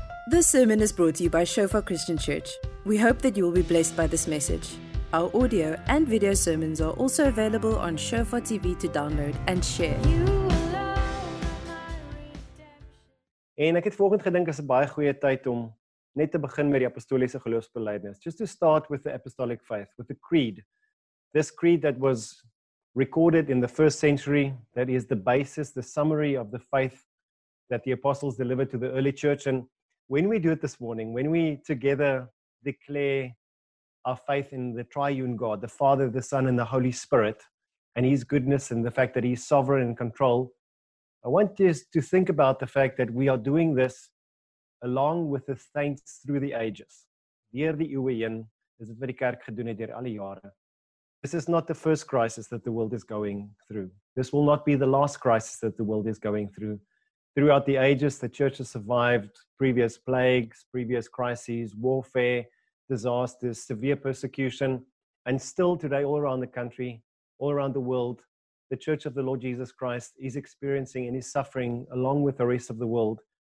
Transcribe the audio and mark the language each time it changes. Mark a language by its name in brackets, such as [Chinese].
[English] This sermon is brought to you by Shofar Christian Church. We hope that you will be blessed by this message. Our audio and video sermons are also available on Shofar TV to download and share. [Afrikaans] En ek het volgende gedink is 'n baie goeie tyd om net te begin met die apostoliese geloofsbelydenis. [English] Just to start with the apostolic faith, with the creed. This creed that was recorded in the first century, that is the basis, the summary of the faith that the apostles delivered to the early church. And when we do it this morning, when we together declare our faith in the triune God, the Father, the Son, and the Holy Spirit, and His goodness and the fact that He's sovereign and control, I want us to think about the fact that we are doing this along with the saints through the ages. [Afrikaans] Deur die eeue heen is dit wat die kerk gedoen het deur alle jare. [English] This is not the first crisis that the world is going through. This will not be the last crisis that the world is going through. Throughout the ages, the church has survived previous plagues, previous crises, warfare, disasters, severe persecution. And still today, all around the country, all around the world, the church of the Lord Jesus Christ is experiencing and is suffering along with the rest of the world.